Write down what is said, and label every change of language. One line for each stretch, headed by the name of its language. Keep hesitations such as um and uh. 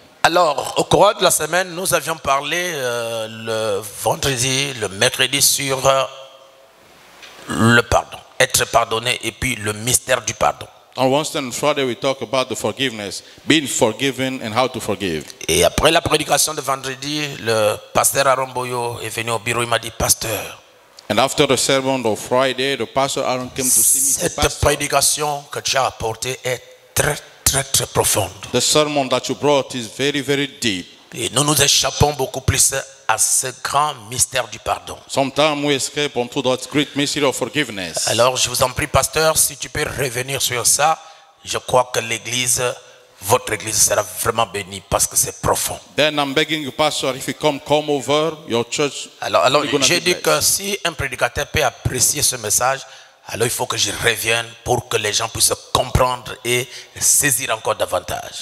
French: Alors, au cours de la semaine, nous avions parlé euh, le vendredi, le mercredi sur euh, le pardon être pardonné et puis le mystère du pardon. Et après la prédication de vendredi, le pasteur Aaron Boyo est venu au bureau et m'a dit, pasteur.
English: And after the sermon Friday, the pastor came to see me.
French: Cette prédication que tu as apportée est très très très profonde.
English: The sermon that you brought is very very deep.
French: Et nous nous échappons beaucoup plus à ce grand mystère du pardon. Alors je vous en prie, pasteur, si tu peux revenir sur ça, je crois que l'Église, votre Église sera vraiment bénie parce que c'est profond. Alors, alors j'ai dit que si un prédicateur peut apprécier ce message, alors il faut que je revienne pour que les gens puissent comprendre et saisir encore davantage.